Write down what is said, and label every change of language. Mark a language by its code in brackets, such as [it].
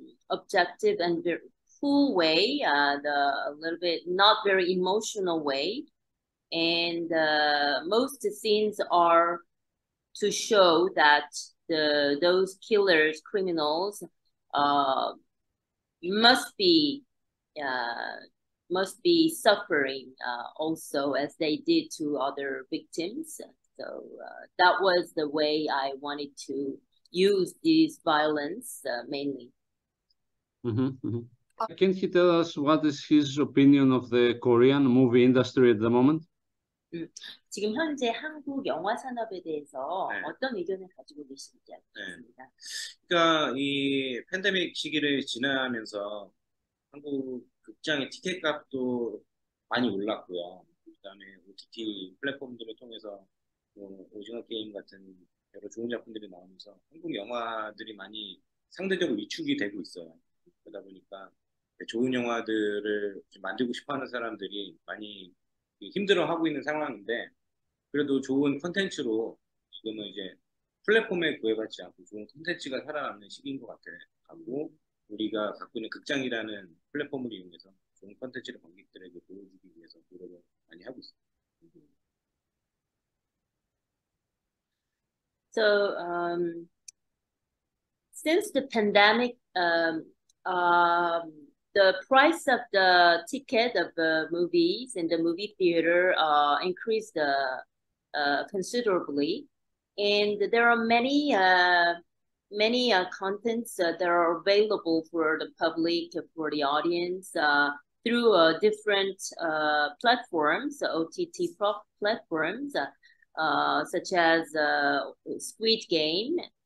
[en] objective and very cool way, the a little bit not very emotional way, and most scenes are to show that those killers, criminals, must be suffering also as they did to other victims. So that was the way I wanted to use these violence mainly. Can he tell us what is his opinion of the Korean movie industry at the moment? [ko] 지금 현재 한국 영화 산업에 대해서 네. 어떤 의견을 가지고 계신지 알겠습니다. 네. 그러니까 이 팬데믹 시기를 지나면서 한국 극장의 티켓값도 많이 올랐고요. 그다음에 OTT 플랫폼들을 통해서 오징어 게임 같은 여러 좋은 작품들이 나오면서 한국 영화들이 많이 상대적으로 위축이 되고 있어요. 그러다 보니까 좋은 영화들을 만들고 싶어하는 사람들이 많이 힘들어하고 있는 상황인데 그래도 좋은 콘텐츠로 지금은 이제 플랫폼에 구애받지 않고 좋은 콘텐츠가 살아남는 시기인 것 같아요. 우리가 갖고 있는 극장이라는 플랫폼을 이용해서 좋은 콘텐츠를 관객들에게 보여주기 위해서 노력을 많이 하고 있습니다. [en] So, since the pandemic, the price of the ticket of the movies in the movie theater increased considerably, and there are many contents that are available for the public, for the audience, through different platforms, OTT platforms, such as Squid Game.